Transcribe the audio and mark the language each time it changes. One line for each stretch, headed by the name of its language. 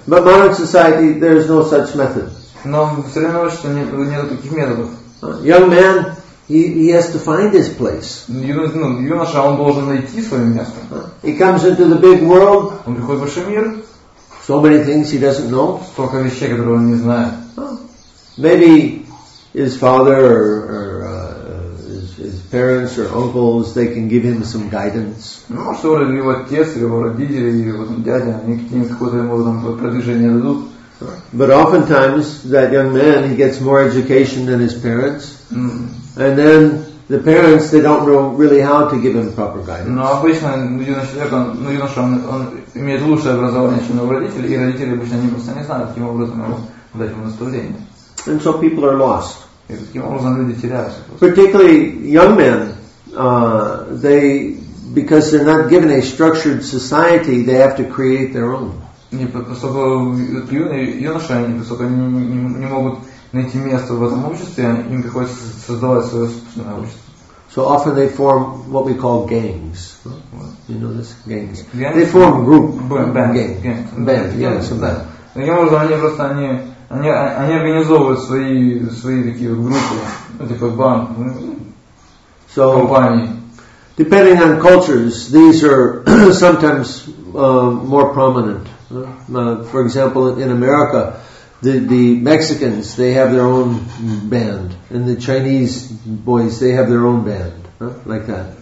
English: But modern society there is no such method.
Russian: Но все равно, что нет таких методов.
English: Young man, He has to find his place.
Russian: Юноша, он должен найти свое место.
English: He comes into the big world.
Russian: Он приходит в большой мир.
English: So many things he doesn't know.
Russian: Столько вещей, которые он не знает.
English: Maybe his father or his parents or uncles, they can give him some guidance.
Russian: Ну, что родители, его отец, его родители, его дядя, они какое-то ему там продвижение дадут.
English: But oftentimes that young man, he gets more education than his parents. Mm. And then the parents, they don't know really how to give him proper guidance.
Russian: Но обычно юноша, он имеет лучшее образование, чем его родители, и родители обычно они просто не знают, каким образом ему дать ему наставление.
English: And so people are lost.
Russian: И таким образом люди теряются.
English: Particularly young men, they because they're not given a structured society, they have to create their own.
Russian: Не, поскольку юноши, они не могут найти место в этом обществе, им приходится создавать свое собственное общество.
English: So often they form what we call gangs. You know this? Gangs. They form group. Band.
Russian: Таким образом, они просто они организовывают свои такие группы, типа банд, компании.
English: Depending on cultures, these are sometimes more prominent. For example, in America, the Mexicans, they have their own band, and the Chinese boys, they have their own band, like that.